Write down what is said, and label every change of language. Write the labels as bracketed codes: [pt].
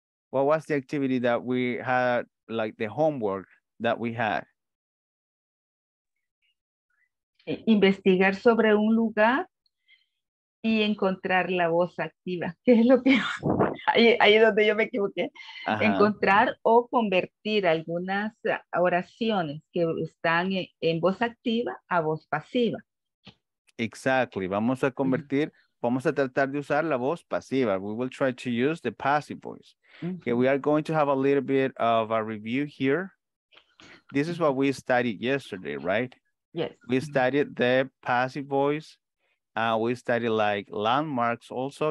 [en] What was the activity that we had, like the homework that we had? [es] Investigar sobre un lugar y encontrar la voz activa. ¿Qué es lo que... Ahí es donde yo me equivoqué. Ajá. Encontrar o convertir algunas oraciones que están en voz activa a voz pasiva. Exactly. Vamos a convertir, uh-huh, vamos a tratar de usar la voz pasiva. [en] We will try to use the passive voice. Uh-huh. Okay, we are going to have a little bit of a review here. This is what we studied yesterday, right? Yes. We studied the passive voice. We studied like landmarks also.